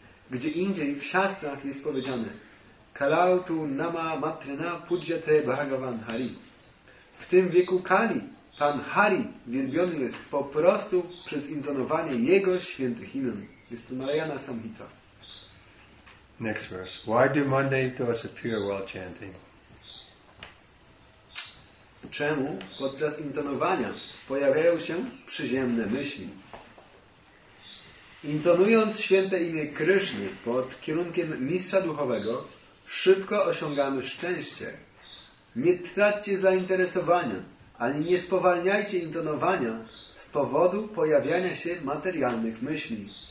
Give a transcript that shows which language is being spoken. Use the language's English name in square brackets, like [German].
[Polish] Gdzie indziej w siastrach jest powiedziane [Sanskrit] Kalau tu nama matrena pudjate bhagavan hari. [Polish] W tym wieku Kali, Pan Hari, wielbiony jest po prostu przez intonowanie Jego świętych imion. Jest to Narayana Samhita. [English] Next verse. Why do mundane thoughts appear while chanting? [Polish] Czemu podczas intonowania pojawiają się przyziemne myśli? Intonując święte imię Kryszny pod kierunkiem mistrza duchowego, szybko osiągamy szczęście. Nie traćcie zainteresowania, ani nie spowalniajcie intonowania z powodu pojawiania się materialnych myśli.